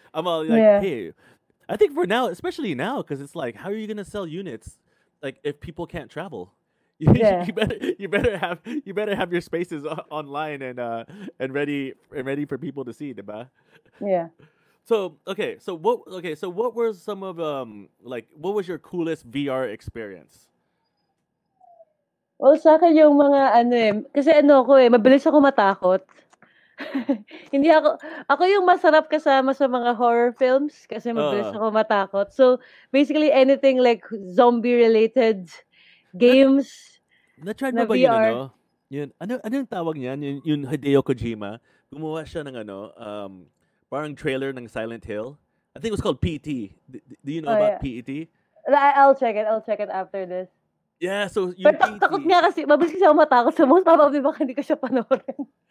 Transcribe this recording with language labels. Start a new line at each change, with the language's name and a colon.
English: I'm all like, hey, I think for now, especially now, because it's like, how are you gonna sell units, like, if people can't travel? you better have your spaces online and ready for people to see,
Filipino: diba?
English: Yeah. So what were some of what was your coolest VR experience?
Filipino: Well, sa akin yung mga kasi ano ko mabilis ako matakot. Hindi ako yung masarap kasama sa mga horror films kasi mabilis ako matakot.
English: So basically anything like zombie related games.
Filipino: Na-try mo ba VR? Yun, ano yung tawag niyan? Yung Hideo Kojima, gumawa siya ng parang trailer ng Silent Hill.
English: I think it was called PT. Do you know about PET? I'll check it after this. Yeah, so you PET.
Filipino: Takot nga kasi, mabilis kasi ako matakot sa
English: most probably
Filipino: baka hindi ko siya panoorin.